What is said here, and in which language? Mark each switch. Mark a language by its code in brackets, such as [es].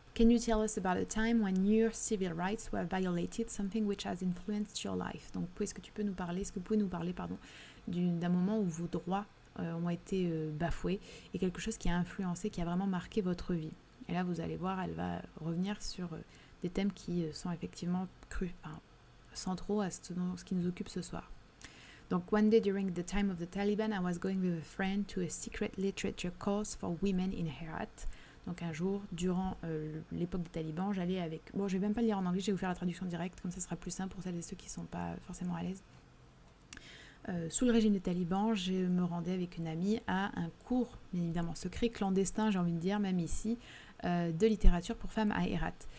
[en] Can you tell us about a time when your civil rights were violated, something which has influenced your life? [fr] Donc, est-ce que vous pouvez nous parler, d'un moment où vos droits ont été bafoués et quelque chose qui a influencé, qui a vraiment marqué votre vie? Et là, vous allez voir, elle va revenir sur des thèmes qui sont effectivement crus, enfin, centraux à ce qui nous occupe ce soir. [en] Donc, one day during the time of the Taliban, I was going with a friend to a secret literature course for women in Herat. [fr] Donc un jour, durant l'époque des talibans, j'allais avec... Bon, je vais même pas lire en anglais, je vais vous faire la traduction directe, comme ça sera plus simple pour celles et ceux qui sont pas forcément à l'aise. Sous le régime des talibans, je me rendais avec une amie à un cours, bien évidemment secret, clandestin, j'ai envie de dire, même ici, de littérature pour femmes à Herat.